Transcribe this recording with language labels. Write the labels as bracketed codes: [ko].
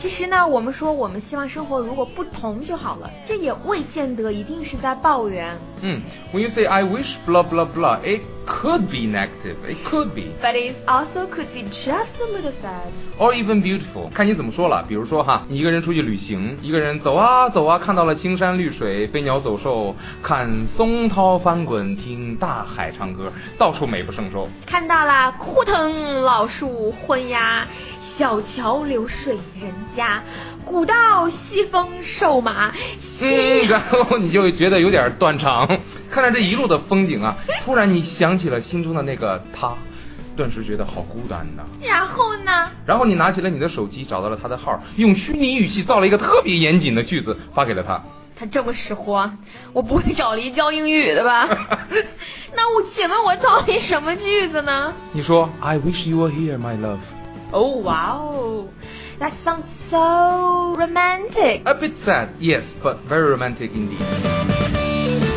[zh] 那我们说我们希望生活如果不同就好了，这也未见得一定是在抱怨。 [en] When you say I wish blah blah blah, it could be negative, it could be. But it also could be just a little sad. Or even beautiful. [zh] 看你怎么说了，比如说哈，你一个人出去旅行，一个人走啊走啊，看到了青山绿水，飞鸟走兽，看松涛翻滚，听大海唱歌，到处美不胜收。看到了枯藤老树昏鸦，小桥流水人家，古道西风瘦马。然后你就觉得有点断肠，看着这一路的风景啊，突然你想起了心中的那个他，顿时觉得好孤单呐。然后呢？然后你拿起了你的手机，找到了他的号，用虚拟语气造了一个特别严谨的句子发给了他。他这么识货，我不会找了一教英语的吧？那我请问我造了什么句子呢？你说 [en] I wish you were here my love。 Oh wow, that sounds so romantic. A bit sad, yes, but very romantic indeed.